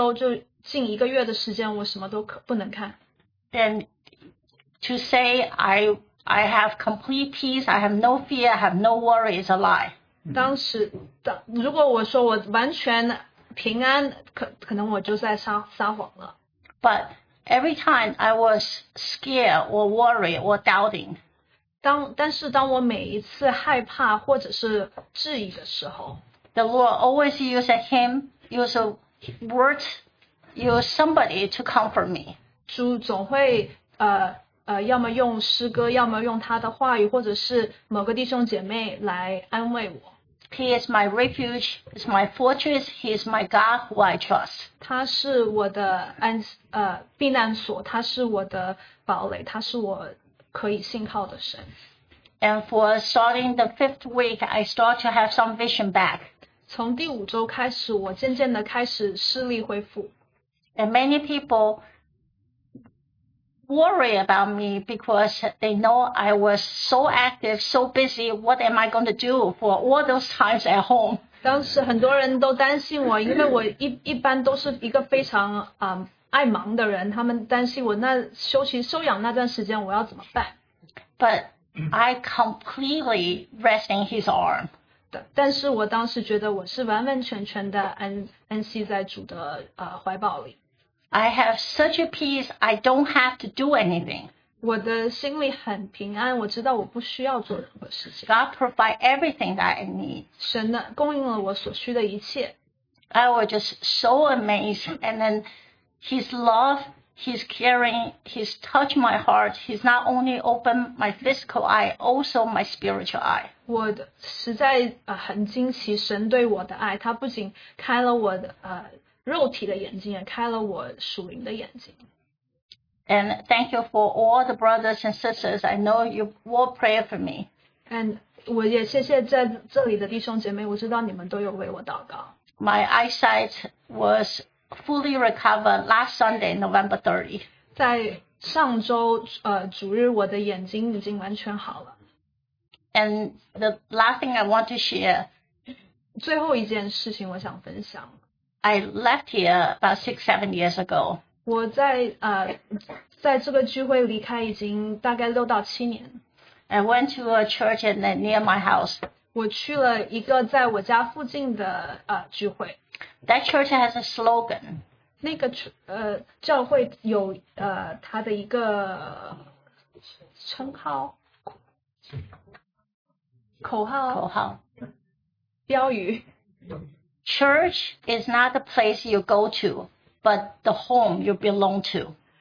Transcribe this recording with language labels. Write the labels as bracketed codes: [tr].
[zh] 在手术之后四周就近一个月的时间我什么都不能看。 [en] Then to say I have complete peace, I have no fear, I have no worry is a lie. [zh] 当时如果我说我完全平安可能我就在撒谎了。 [en] But every time I was scared or worried or doubting. [zh] 但是当我每一次害怕或者是质疑的时候, [en] the Lord always used him, used a word, used somebody to comfort me. [zh] 主总会, 要么用诗歌, 要么用他的话语, 或者是某个弟兄姐妹来安慰我。 [en] He is my refuge, is my fortress, he is my God who I trust. [zh] 他是我的安, 避难所, 他是我的堡垒, 他是我可以信靠的神。 [en] And for starting the fifth week, I start to have some vision back. [zh] 从第五周开始, 我渐渐地开始视力恢复。 [en] And many people worry about me because they know I was so active, so busy, what am I going to do for all those times at home? [zh] 当时很多人都担心我, 因为我一般都是一个非常, 爱忙的人, 他们担心我那休息休养那段时间我要怎么办。 [en] But I completely rest in his arm. [zh] 但是我当时觉得我是完完全全的安息在主的怀抱里。 [en] I have such a peace, I don't have to do anything. [zh] 我的心里很平安，我知道我不需要做任何事情。 [en] God provide everything that I need. [zh] 神呢，供应了我所需的一切。 [en] I was just so amazed, and then His love, His caring, He's touched my heart. He's not only opened my physical eye, also my spiritual eye. [zh] 我实在很惊奇，神对我的爱，他不仅开了我的肉体的眼睛，也开了我属灵的眼睛。 [en] And thank you for all the brothers and sisters. I know you will pray for me. [zh] And 我也谢谢在这里的弟兄姐妹，我知道你们都有为我祷告。 [en] My eyesight was fully recovered last Sunday, November 30. [zh] 在上周主日，我的眼睛已经完全好了。 [en] And the last thing I want to share. [zh] 最后一件事情我想分享。 [en] I left here about 6-7 years ago. [zh] 我在这个聚会离开已经大概6-7年。 [en] I went to a church and then near my house. [zh] 我去了一个在我家附近的聚会。 [en] That church has a slogan. [zh] 那个教会有它的一个称号，口号，标语。 [en] Church is not the place you go to, but the home you belong to.